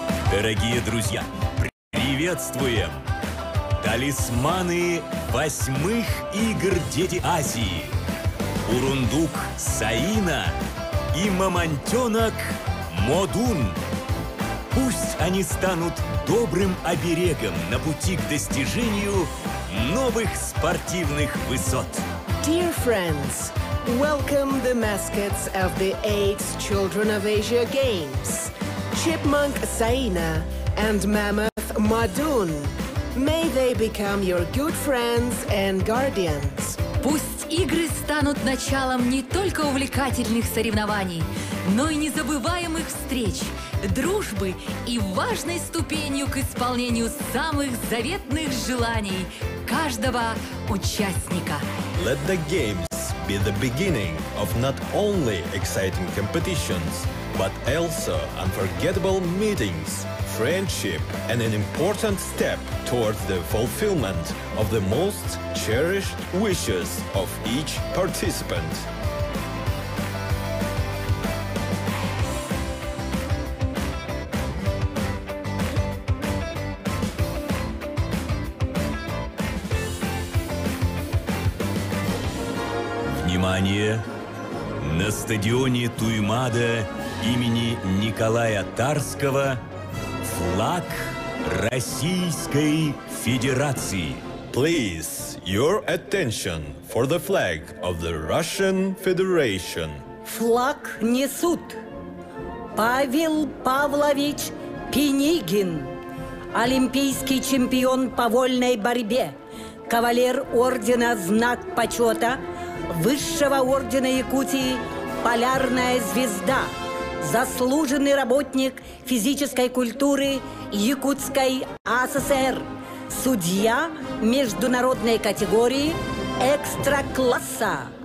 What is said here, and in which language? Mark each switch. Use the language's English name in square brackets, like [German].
[Russian] Дорогие друзья, приветствуем! Талисманы восьмых игр Дети Азии. Бурундук Саина и мамонтенок Модун. Пусть они станут добрым оберегом на пути к достижению новых спортивных высот. [English] Dear friends, welcome the mascots of the 8th Children of Asia Games. Chipmunk Saina and Mammoth Madun. May they become your good friends and guardians. [Russian] Пусть игры станут началом не только увлекательных соревнований, но и незабываемых встреч, дружбы и важной ступенью к исполнению самых заветных желаний каждого участника. [English] Let the games be the beginning of not only exciting competitions, but also unforgettable meetings, friendship, and an important step towards the fulfillment of the most cherished wishes of each participant. [Russian] Внимание! На стадионе Туймада имени Николая Тарского флаг Российской Федерации. [English] Please, your attention for the flag of the Russian Federation. [Russian] Флаг несут Павел Павлович Пинигин, олимпийский чемпион по вольной борьбе, кавалер ордена «Знак почета», высшего ордена Якутии «Полярная звезда», заслуженный работник физической культуры Якутской АССР, судья международной категории экстра-класса.